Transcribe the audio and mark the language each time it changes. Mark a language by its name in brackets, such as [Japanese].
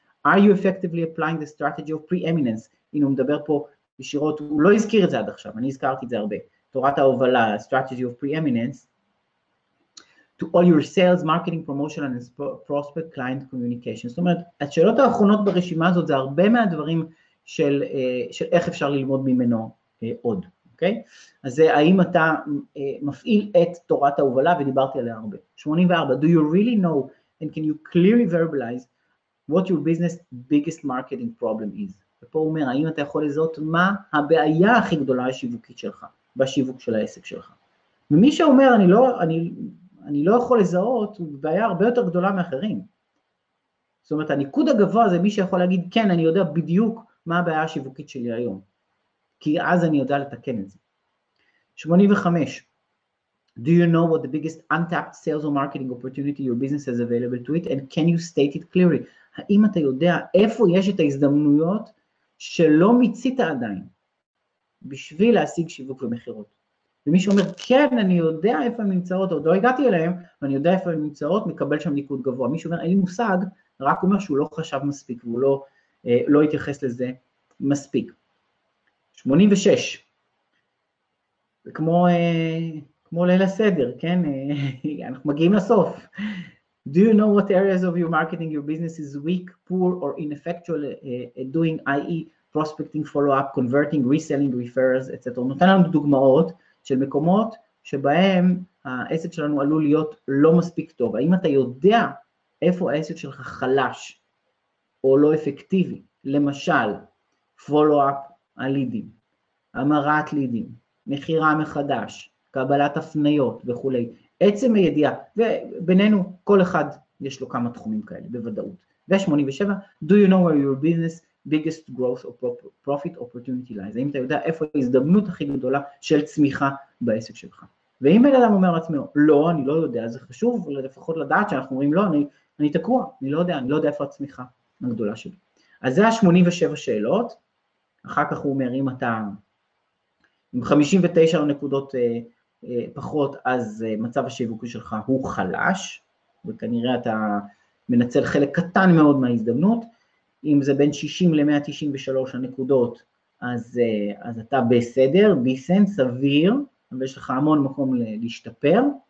[English] Are you effectively applying the strategy of preeminence? [Hebrew] הנה הוא מדבר פה בשירות, הוא לא הזכיר את זה עד עכשיו, אני הזכרתי את זה הרבה. תורת ההובלה, [English] strategy of preeminence, to all your sales, marketing, promotion, and prospect client communication. [Hebrew] זאת אומרת, השאלות האחרונות ברשימה הזאת, זה הרבה מהדברים של, של איך אפשר ללמוד ממנו עוד. אוקיי? אז זה, האם אתה מפעיל את תורת ההובלה, ודיברתי עליה הרבה. [English] 84, do you really know, and can you clearly verbalize, what your business biggest marketing problem is? [Hebrew] ופה הוא אומר, האם אתה יכול לזהות, מה הבעיה הכי גדולה השיווקית שלך, בשיווק של העסק שלך? ומי שאומר, אני לא יכול לזהות, הוא בעיה הרבה יותר גדולה מאחרים. זאת אומרת, הניקוד הגבוה זה מי שיכול להגיד, כן, אני יודע בדיוק מה הבעיה השיווקית שלי היום. כי אז אני יודע לתקן את זה. 85. [English] Do you know what the biggest untapped sales or marketing opportunity your business has available to it? And can you state it clearly? [Hebrew] האם אתה יודע איפה יש את ההזדמנויות שלא מיצית עדיין בשביל להשיג שיווק ומחירות? ומי שאומר, כן, אני יודע איפה הן נמצאות, עוד לא הגעתי אליהן, ואני יודע איפה הן נמצאות, מקבל שם ניקוד גבוה. מי שאומר, אין לי מושג, רק אומר שהוא לא חשב מספיק, והוא לא התייחס לזה מספיק. 86. וכמו ליל הסדר, כן? אנחנו מגיעים לסוף. [English] Do you know what areas of your marketing, your business is weak, poor or ineffectual doing, i.e. prospecting, follow-up, converting, reselling, referrals, etc. [Hebrew] נותן לנו דוגמאות. של מקומות שבהם העסק שלנו עלול להיות לא מספיק טוב. האם אתה יודע איפה העסק שלך חלש או לא אפקטיבי? למשל, follow-up הלידים, המרת לידים, מחירה מחדש, קבלת הפניות וכולי. עצם הידיעה, ובינינו כל אחד יש לו כמה תחומים כאלה, בוודאות. [English] ו-87, do you know where your business is? biggest growth or profit opportunity lies. [Hebrew] האם אתה יודע איפה ההזדמנות הכי גדולה של צמיחה בעסק שלך? ואם בן אדם אומר לעצמו, לא, אני לא יודע, זה חשוב לפחות לדעת שאנחנו אומרים, לא, אני תקוע, אני לא יודע, אני לא יודע איפה הצמיחה הגדולה שלי. אז זה ה-87 שאלות, אחר כך הוא אומר, אם אתה עם 59 נקודות פחות, אז מצב השיווקי שלך הוא חלש, וכנראה אתה מנצל חלק קטן מאוד מההזדמנות, אם זה בין 60-193 הנקודות, אז אתה בסדר, decent, סביר, ויש לך המון מקום להשתפר,